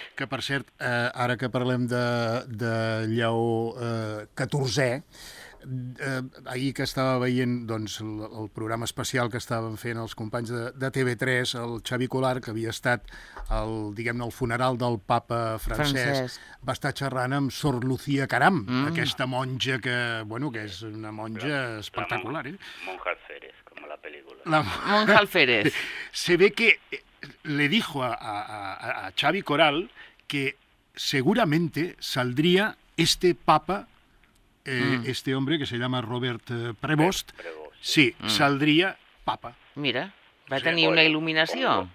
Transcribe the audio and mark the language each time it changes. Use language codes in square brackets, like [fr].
[ca] Que per cert, ara que parlem de Lleó 14è, ahir que estava veient doncs, el programa especial que estaven fent els companys de TV3, el Xavi Colar, que havia estat el, diguem-ne, el funeral del Papa Francesc, va estar xerrant amb Sor Lucía Caram, aquesta monja que, bueno, que és una monja espectacular. Monja Alférez, com la pel·lícula. Monja Alférez. [es] Se ve que le dijo a Xavi Coral que seguramente saldría este Papa, este hombre que se llama Robert Prevost, saldría papa. [ca] Mira, va tenir una il·luminació.